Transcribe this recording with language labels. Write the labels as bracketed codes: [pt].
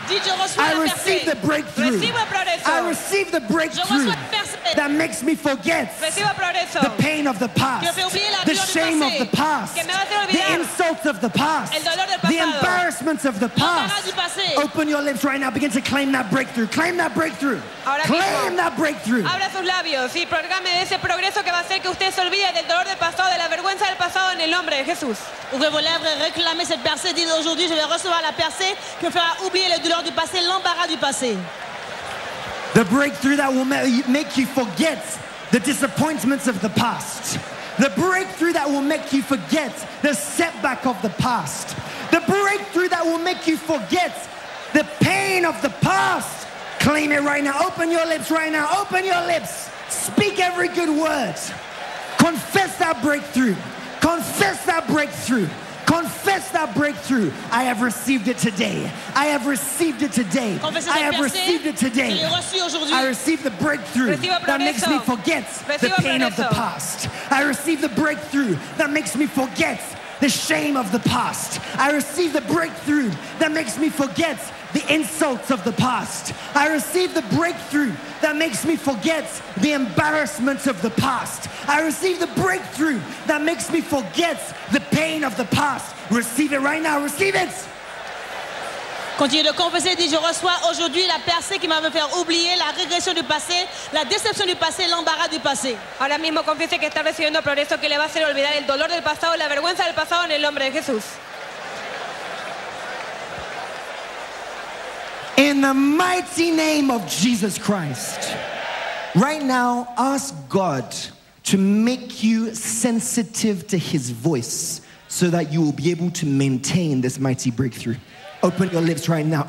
[en] I receive the breakthrough. I receive the breakthrough that makes me forget the pain of the past, the shame of the past, the insults of the past, the embarrassments of the past. Open your lips right now, begin to claim that breakthrough. Claim that breakthrough. Claim that breakthrough. [es] Abra sus labios y programe ese progreso que va a hacer que usted se olvide del dolor del pasado, de la vergüenza del pasado en el nombre de Jesús. [fr] Ouvrez vos lèvres et réclamez cette percée. Dites aujourd'hui, je vais recevoir la percée qui me fera oublier les douleurs du passé, l'embarras du passé. [en] The breakthrough that will make you forget the disappointments of the past. The breakthrough that will make you forget the setback of the past. The breakthrough that will make you forget the pain of the past. Claim it right now. Open your lips right now. Open your lips. Speak every good word. Confess that breakthrough. Confess that breakthrough. Confess that breakthrough. I have received it today. I have received it today. I have received it today. I receive the breakthrough that makes me forget the pain of the past. I receive the breakthrough that makes me forget the shame of the past. I receive the breakthrough that makes me forget the insults of the past. I receive the breakthrough that makes me forget the embarrassments of the past. I receive the breakthrough that makes me forget the pain of the past. Receive it right now. Receive it. [fr] Continue de confesser. Dis, je reçois aujourd'hui la percée qui m'a fait oublier la régression du passé, la déception du passé, l'embarras du passé. [es] Ahora mismo confiese que está recibiendo progreso que le va a hacer olvidar el dolor del pasado, la vergüenza del pasado en el nombre de Jesús. [en] In the mighty name of Jesus Christ, right now, ask God to make you sensitive to His voice so that you will be able to maintain this mighty breakthrough. Open your lips right now.